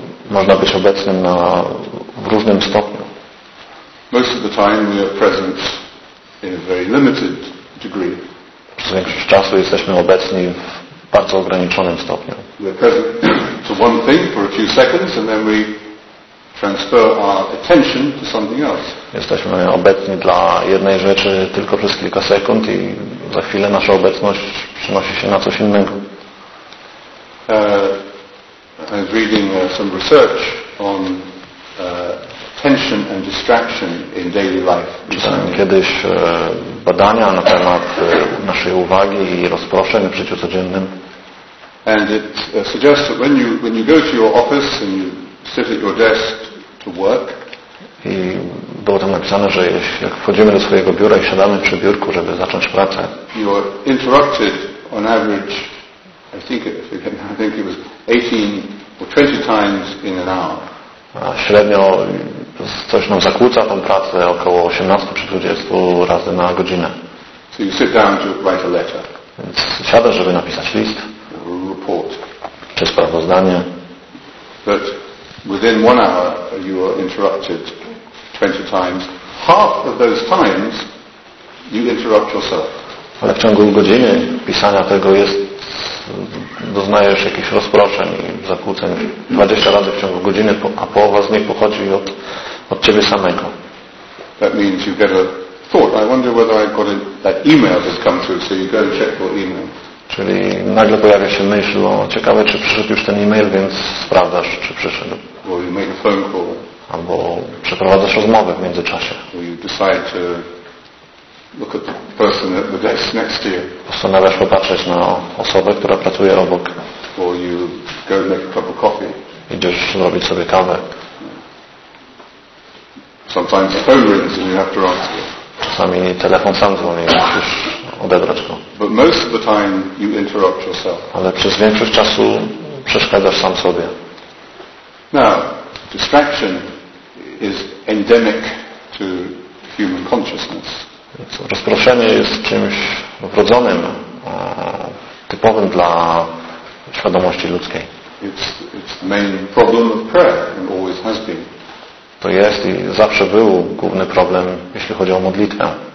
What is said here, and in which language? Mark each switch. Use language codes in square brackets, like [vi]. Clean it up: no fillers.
[pl] Można być obecnym w różnym stopniu. [en] Most of the time we are present in a very limited degree. [pl] Przez większość czasu jesteśmy obecni w bardzo ograniczonym stopniu. [en] We're present to one thing for a few seconds and then we transfer our attention to something else. [pl] Jesteśmy obecni dla jednej rzeczy tylko przez kilka sekund i za chwilę nasza obecność przenosi się na coś innego. [en] I was reading some research on attention and distraction in daily life. [pl] Czytałem kiedyś badania na temat naszej uwagi i rozproszeń w życiu codziennym. [en] And it suggests that when you go to your office and you sit at your desk to work. [pl] I było tam napisane, że jak wchodzimy do swojego biura i siadamy przy biurku, żeby zacząć pracę. [en] You are interrupted on average, I think it was 18 or 20 times in an hour. [pl] A średnio coś nam zakłóca tą pracę około 18 czy 20 razy na godzinę. [en] So you sit down to write a letter. [pl] Więc siadasz, żeby napisać list. [en] Report. [pl] Czy sprawozdanie. [en] But within one hour you are interrupted 20 times. Half of those times you interrupt yourself. [pl] Ale w ciągu godziny pisania tego jest, doznajesz jakichś rozproszeń i zakłóceń 20 razy w ciągu godziny, a połowa z nich pochodzi od ciebie samego. [en] That means you get a thought. I wonder whether I've got that email has come through, so you go and check your email. [pl] Czyli nagle pojawia się myśl, no ciekawe, czy przyszedł już ten e-mail, więc sprawdzasz, czy przyszedł. [en] Or you make a phone call. [pl] Albo przeprowadzasz rozmowę w międzyczasie. [en] Or you decide to look at the person at the desk next to you. [pl] Postanawiasz popatrzeć na osobę, która pracuje obok. [en] Or you go and make a cup of coffee. [pl] Idziesz zrobić sobie kawę. [en] Sometimes the phone rings and you have to answer it. [pl] Czasami telefon sam dzwoni, musisz odebrać go. [en] But most of the time you interrupt yourself. [pl] Ale przez większość czasu przeszkadzasz sam sobie. [en] Now, distraction is endemic to human consciousness. [pl] Rozproszenie jest czymś wrodzonym, typowym dla świadomości ludzkiej. [en] It's the main problem of prayer and always has been. [pl] To jest i zawsze był główny problem, jeśli chodzi o modlitwę.